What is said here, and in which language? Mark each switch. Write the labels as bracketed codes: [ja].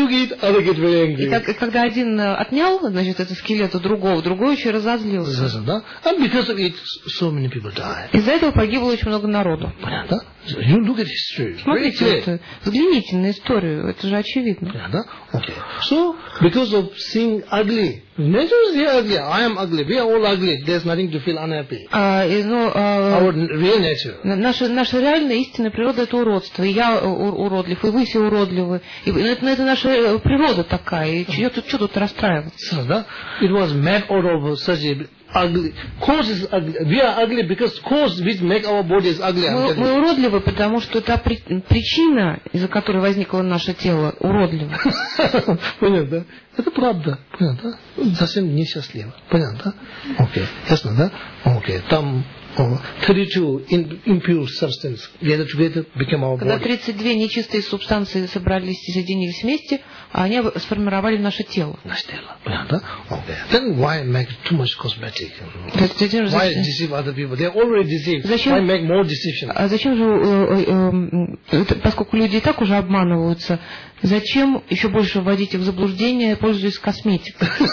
[ru] И когда один отнял, значит, этот скелет у другого, другой очень разозлился. [en] And because of it, so many people died. [ru] Из-за этого погибло очень много народу. Понятно? [en] You look at history. [ru] Смотрите, взгляните на историю, это же очевидно. Понятно? [en] Okay. So because of seeing ugly. Nature is ugly. I am ugly. We are all ugly. There's nothing to feel unhappy. Our real nature. [ru] Наша реальная истинная природа это уродство. Я уродлив, и вы все уродливы. Но это наша природа такая. Что тут расстраиваться? Да. [en] It was made out of such a ugly. Cause is ugly. We are ugly because cause which make our body is ugly. [ru] Мы уродливы, потому что это причина, из-за которой возникло наше тело, уродливо. Понятно, да? Это правда. Понятно, да? Совсем несчастливо. Понятно, да? Окей. Okay. Ясно, да? Окей. Okay. Там [en] 32 impure substances gathered together became our body. [ru] Когда 32 нечистые субстанции собрались и соединились вместе, они сформировали наше тело. Наше тело. Понятно, да? Окей. [en] Okay. Then why make too much cosmetic? Why deceive other people? They're already deceived. [ru] Зачем? [en] Why make more deception? [ru] А зачем же, поскольку люди и так уже обманываются, зачем еще больше вводить их в заблуждение, пользуясь косметикой?